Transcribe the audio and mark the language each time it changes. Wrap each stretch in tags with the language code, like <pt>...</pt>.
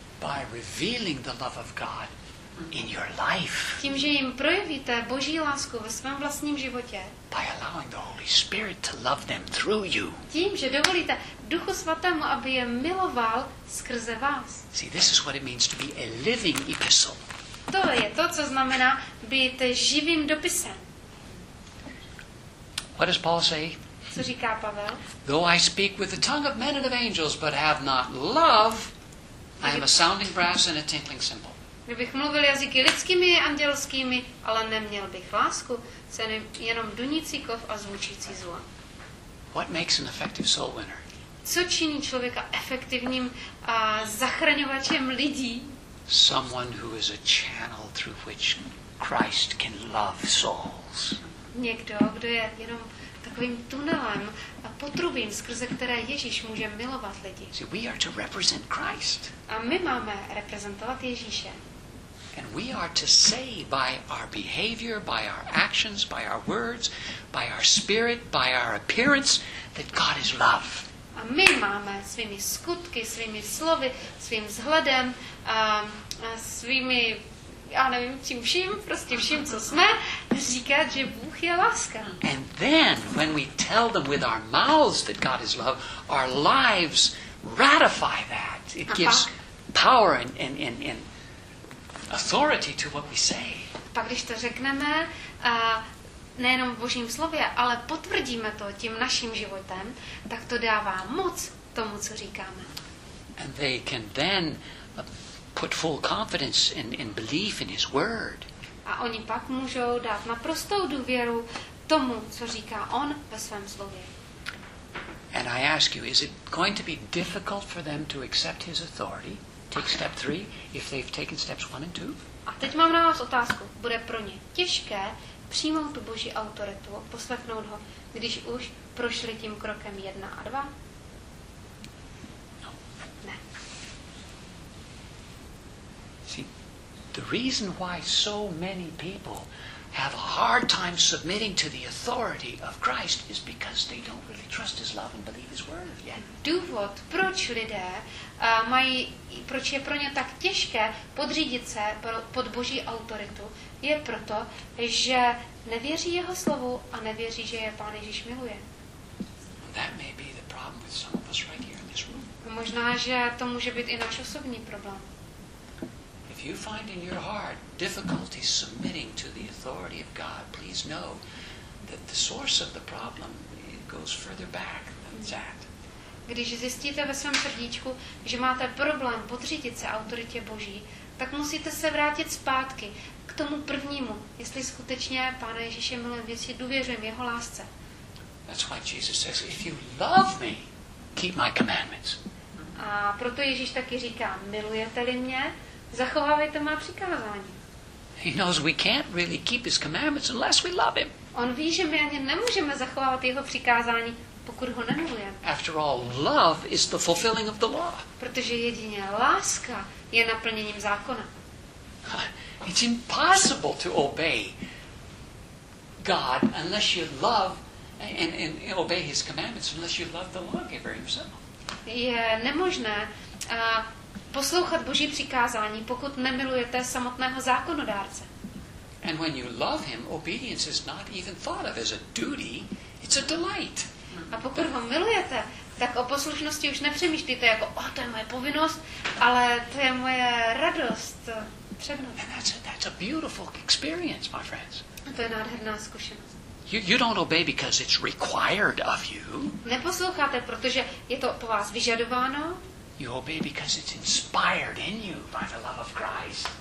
<en>by revealing the love of God in your life.</en> <cs>Tím, že jim projevíte Boží lásku ve svém vlastním životě.</cs> <en>By allowing the Holy Spirit to love them through you.</en> <cs>Tím, že dovolíte Duchu svatému, aby je miloval skrze vás.</cs> <en>See, this is what it means to be a living epistle.</en> <cs>To je to, co znamená být živým dopisem.</cs> <en>What does Paul say?</en> <cs>Co říká Pavel?</cs> <en>Though I speak with the tongue of men and of angels, but have not love, I am a sounding brass and a tinkling cymbal.</en> <cs>Kdybych mluvil jazyky lidskými a andělskými, ale neměl bych lásku, jsem jenom dunící kov a zvučící zvon.</cs> <en>What makes an effective soul winner?</en> <cs>Co činí člověka efektivním zachraňovačem lidí?</cs> <en>Someone who is a channel through which Christ can love souls.</en> <cs>Někdo, kdo je jenom takovým tunelem a potrubím, skrze které Ježíš může milovat lidi.</cs> <en>See, we are to represent Christ.</en> <cs>A my máme reprezentovat Ježíše.</cs> <en>And we are to say by our behavior, by our actions, by our words, by our spirit, by our appearance that God is love.</en> <cs>A my máme svými skutky, svými slovy, svým vzhledem, svými, já nevím, tím vším, prostě vším, co jsme, říkat, že Bůh je láska.</cs> <en>And then, when we tell them with our mouths that God is love, our lives ratify that. It gives power and authority to what we say.</en> <cs>Pak, když to řekneme, nejenom v Božím slově, ale potvrdíme to tím naším životem, tak to dává moc tomu, co říkáme.</cs> <en>And they can then put full confidence in belief in his word.</en> <cs>A oni pak můžou dát naprostou důvěru tomu, co říká on ve svém slově.</cs> <en>And I ask you, is it going to be difficult for them to accept his authority, take step 3, if they've taken steps 1 and 2?</en> <cs>A teď mám na vás otázku, bude pro ně těžké přijmout tu Boží autoritu, poslechnout ho, když už prošli tím krokem 1 a 2? Ne.</cs> <en>See, the reason why so many people have a hard time submitting to the authority of Christ is because they don't really trust his love and believe his word yet.</en> <cs>Důvod, proč lidé mají, proč je pro ně tak těžké podřídit se pod Boží autoritu, je proto, že nevěří jeho slovu a nevěří, že je Pán Ježíš miluje.</cs> <en>That may be the problem with some of us right here in this room.</en> <cs>Možná, že to může být i náš osobní problém.</cs> <en>If you find in your heart difficulty submitting to the authority of God, please know that the source of the problem goes further back than that.</en> <cs>Když zjistíte ve svém srdíčku, že máte problém podřídit se autoritě Boží, tak musíte se vrátit zpátky k tomu prvnímu, jestli skutečně Pána Ježíše milujem, jestli důvěřím v jeho lásce.</cs> <en>That's why Jesus says, if you love me, keep my commandments.</en> <cs>A proto Ježíš taky říká, milujete-li mě, zachovávejte má přikázání.</cs> <en>He knows we can't really keep his commandments unless we love him.</en> <cs>On ví, že my ani nemůžeme zachovávat jeho přikázání, pokud ho nemilujeme.</cs> <en>After all, love is the fulfilling of the law.</en> <cs>Protože jedině láska je naplněním zákona.</cs> <en>It's impossible to obey God unless you love and obey his commandments unless you love the lawgiver himself.</en> <cs>Je nemožné poslouchat Boží přikázání, pokud nemilujete samotného zákonodárce.</cs> <en>And when you love him, obedience is not even thought of as a duty, it's a delight.</en> <cs>A pokud ho milujete, tak o poslušnosti už nepřemýšlíte jako o, to je moje povinnost, ale to je moje radost, přednost.</cs> <en>And that's a beautiful experience, my friends.</en> <cs>A to je nádherná zkušenost.</cs> <en>You don't obey because it's required of you.</en> <cs>Neposloucháte, protože je to po vás vyžadováno.</cs> <en>You obey because it's inspired in you by the love of Christ.</en>